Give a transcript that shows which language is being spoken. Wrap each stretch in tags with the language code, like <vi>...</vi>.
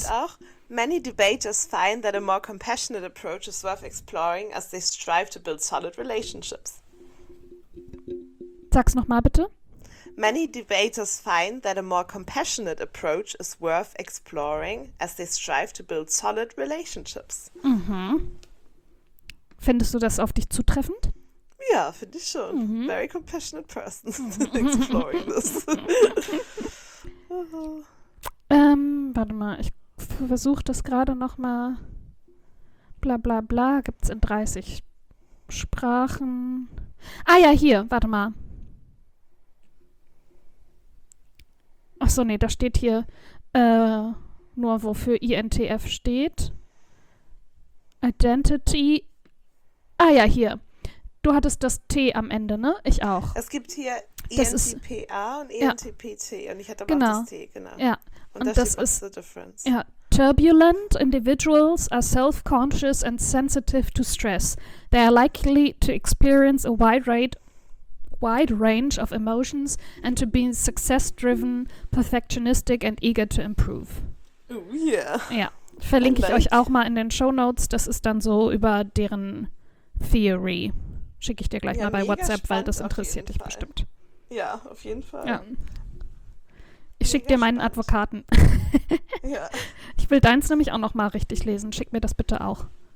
<de>Steht auch,</de> <en>many debaters find that a more compassionate approach is worth exploring as they strive to build solid relationships.</en> <de>Sag's nochmal bitte.</de> <en>Many debaters find that a more compassionate approach is worth exploring as they strive to build solid relationships. Mhm.</en> <de>Findest du das auf dich zutreffend? Ja, finde ich schon.</de> <en>Mhm. Very compassionate person exploring this.</en> <de>Warte mal, ich versuche das gerade noch mal. Bla bla bla, gibt es in 30 Sprachen. Ah ja, hier, warte mal. Ach so, nee, da steht hier nur, wofür INTF steht. Identity. Ah ja, hier. Du hattest das T am Ende, ne? Ich auch. Es gibt hier INTPA und INTPT. Ja. Und ich hatte aber auch das T, genau. Ja. Und das ist</de> <en>the difference.</en> <de>Ja,</de> <en>turbulent individuals are self-conscious and sensitive to stress. They are likely to experience a wide range of emotions and to be success-driven, perfectionistic and eager to improve. Oh, yeah.</en> <de>Ja, verlinke ich euch auch mal in den Shownotes. Das ist dann so über deren Theory. Schicke ich dir gleich mal bei WhatsApp, weil das interessiert dich bestimmt. Ja, auf jeden Fall. Ja. Ich schicke dir meinen Advokaten. Ja. Ich will deins nämlich auch noch mal richtig lesen. Schick mir das bitte auch.</de>